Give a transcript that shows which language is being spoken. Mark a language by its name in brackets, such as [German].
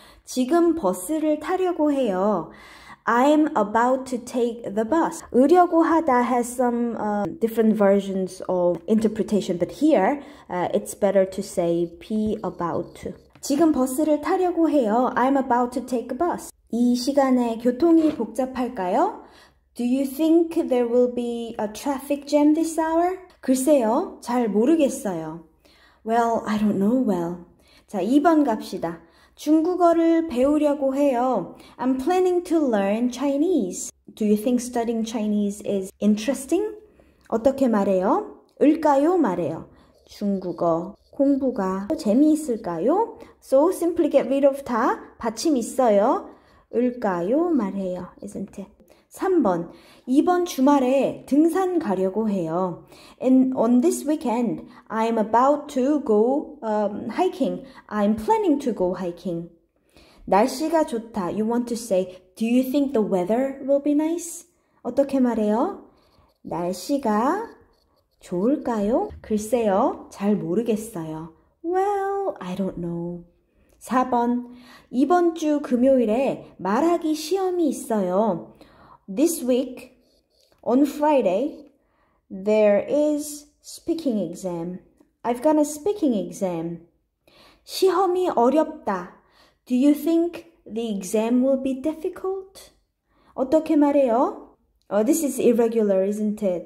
[Korean] 지금 버스를 타려고 해요. [English] I'm about to take the bus. 으려고 하다 has some different versions of interpretation, but here it's better to say be about to. [Korean] 지금 버스를 타려고 해요. [English] I'm about to take a bus. [Korean] 이 시간에 교통이 복잡할까요? [English] Do you think there will be a traffic jam this hour? [Korean] 글쎄요, 잘 모르겠어요. [English] Well, I don't know well. [Korean] 자, 2번 갑시다. 중국어를 배우려고 해요. [English] I'm planning to learn Chinese. Do you think studying Chinese is interesting? [Korean] 어떻게 말해요? 을까요? 말해요. 중국어 공부가 재미있을까요? [English] So, simply get rid of 다. [Korean] 받침 있어요. [English] 을까요? 말해요. Isn't it? 3번. [Korean] 이번 주말에 등산 가려고 해요. [English] And on this weekend, I'm about to go hiking. I'm planning to go hiking. [Korean] 날씨가 좋다. [English] You want to say, do you think the weather will be nice? [Korean] 어떻게 말해요? 날씨가 좋을까요? 글쎄요. 잘 모르겠어요. [English] Well, I don't know. 4번. [Korean] 이번 주 금요일에 말하기 시험이 있어요. [English] This week, on Friday, there is speaking exam. I've got a speaking exam. [Korean] 시험이 어렵다. [English] Do you think the exam will be difficult? [Korean] 어떻게 말해요? [English] Oh, this is irregular, isn't it?